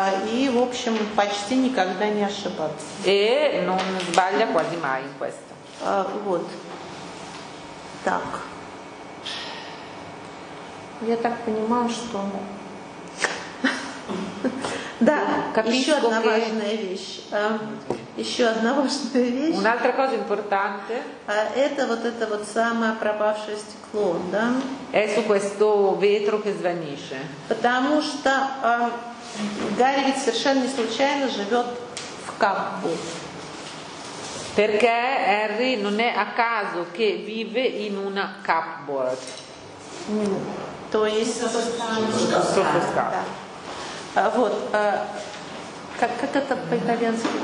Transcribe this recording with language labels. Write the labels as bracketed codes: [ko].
[ru] И в общем почти никогда не ошибаться. [it] E non sbaglia quasi mai in questo. [ru] Вот. Так. Я так понимаю, что. Да, еще одна важная вещь. [it] Un'altra cosa importante. [ru] Это вот это вот самое пропавшее стекло, да? [it] È su questo vetro che svanisce. [ru] Потому что Гарри ведь совершенно не случайно живет в Каппу. [it] Perché Harry non è a caso che vive in una cupboard. [ru] То есть [it] sottoscala. [ru] Вот, как это по-итальянски?